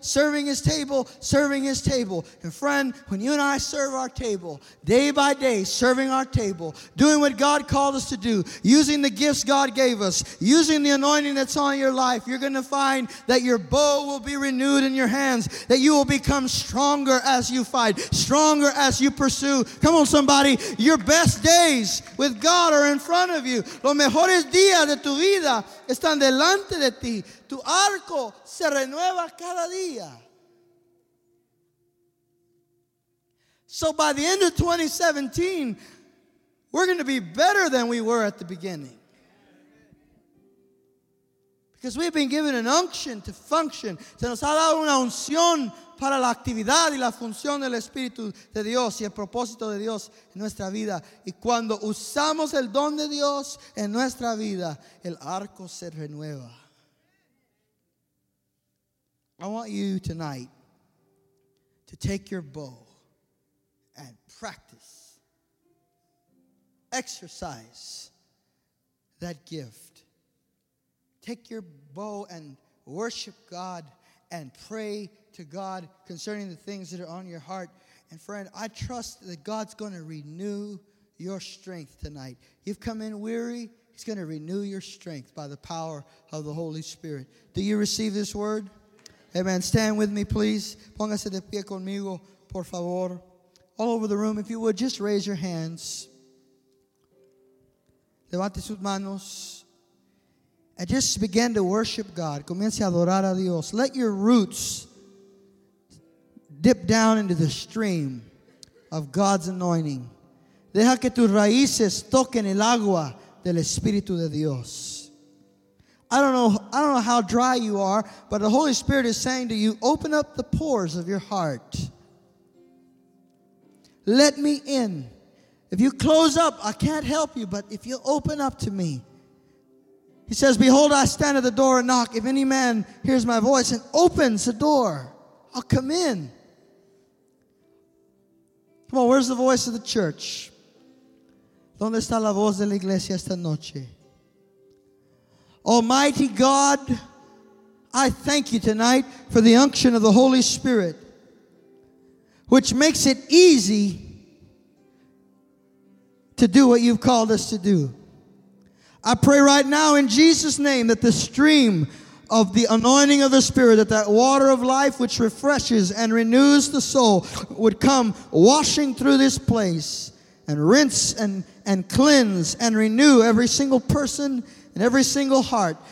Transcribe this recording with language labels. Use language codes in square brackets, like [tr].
[en] And friend, when you and I serve our table, day by day, serving our table, doing what God called us to do, using the gifts God gave us, using the anointing that's on your life, you're going to find that your bow will be renewed in your hands, that you will become stronger as you fight, stronger as you pursue. Come on, somebody. Your best days with God are in front of you. [es] Los mejores días de tu vida están delante de ti. Tu arco se renueva cada día. [en] So by the end of 2017, we're going to be better than we were at the beginning. Because we've been given an unction to function. [es] Se nos ha dado una unción para la actividad y la función del Espíritu de Dios y el propósito de Dios en nuestra vida. Y cuando usamos el don de Dios en nuestra vida, el arco se renueva. [en] I want you tonight to take your bow and practice, exercise that gift. Take your bow and worship God and pray to God concerning the things that are on your heart. And friend, I trust that God's going to renew your strength tonight. You've come in weary, he's going to renew your strength by the power of the Holy Spirit. Do you receive this word? Amen. Stand with me, please. [es] Póngase de pie conmigo, por favor. [en] All over the room, if you would, just raise your hands. [es] Levante sus manos. [en] And just begin to worship God. [es] Comience a adorar a Dios. [en] Let your roots dip down into the stream of God's anointing. [es] Deja que tus raíces toquen el agua del Espíritu de Dios. [en] I don't know how dry you are, but the Holy Spirit is saying to you, open up the pores of your heart. Let me in. If you close up, I can't help you, but if you open up to me. He says, behold, I stand at the door and knock. If any man hears my voice and opens the door, I'll come in. Come on, where's the voice of the church? [es] ¿Dónde está la voz de la iglesia esta noche? [en] Almighty God, I thank you tonight for the unction of the Holy Spirit, which makes it easy to do what you've called us to do. I pray right now in Jesus' name that the stream of the anointing of the Spirit, that that water of life which refreshes and renews the soul, would come washing through this place and rinse and cleanse and renew every single person and every single heart.